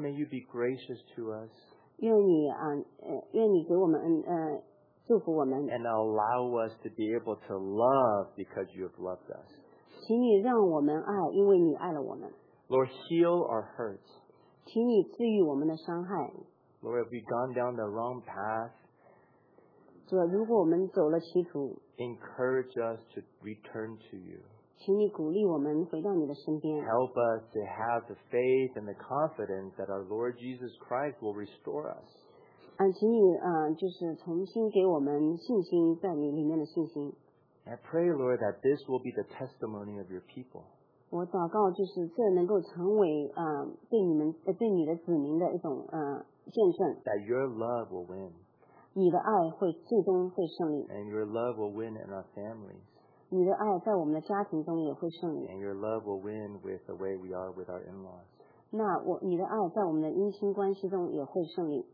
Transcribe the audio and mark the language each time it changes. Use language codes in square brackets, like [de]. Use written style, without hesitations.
[en] may you be gracious to us. [zh] 愿你给我们祝福我们, [en] and allow us to be able to love because you have loved us. [zh] 请你让我们爱，因为你爱了我们。 [en] Lord, heal our hurts. [zh] 请你治愈我们的伤害。 [en] Lord, have we gone down the wrong path? [zh] 主啊，如果我们走了歧途, [en] encourage us to return to you. [zh] 请你鼓励我们回到你的身边。 [en] Help us to have the faith and the confidence that our Lord Jesus Christ will restore us. [zh] 请你就是重新给我们信心，在你里面的信心。 [en] I pray, Lord, that this will be the testimony of your people. [zh] 我祷告就是这能够成为对你们对你的子民的一种见证。 [en] That your love will win. [zh] 你的爱会最终会胜利。 [en] And your love will win in our families. [zh] 你的爱在我们的家庭中也会胜利。 [en] And your love will win with the way we are with our in-laws. [zh] 那我你的爱在我们的姻亲关系中也会胜利。